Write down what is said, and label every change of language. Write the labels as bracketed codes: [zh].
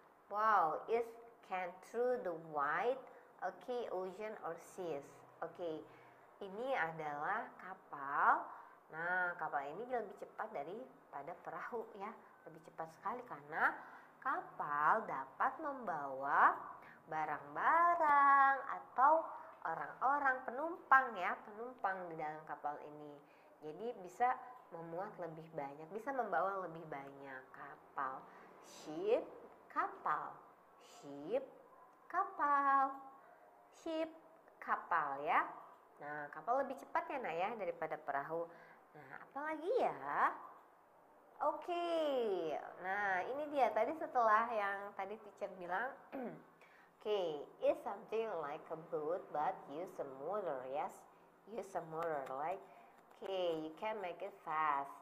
[en] Wow, it can through the wide, okay, ocean or seas. [id] Okay, ini adalah kapal. Nah, kapal ini lebih cepat daripada perahu ya. Lebih cepat sekali karena kapal dapat membawa barang-barang atau orang-orang penumpang ya, penumpang di dalam kapal ini. Jadi bisa memuat lebih banyak, bisa membawa lebih banyak kapal. Ship, kapal. Ship, kapal. Ship, kapal ya. Nah, kapal lebih cepat ya, Naya, daripada perahu. Nah, apalagi ya? Oke. Nah, ini dia tadi setelah yang tadi teacher bilang. [en] Okay, it's something like a boat but use a motor, yes. Use a motor like okay, you can make it fast.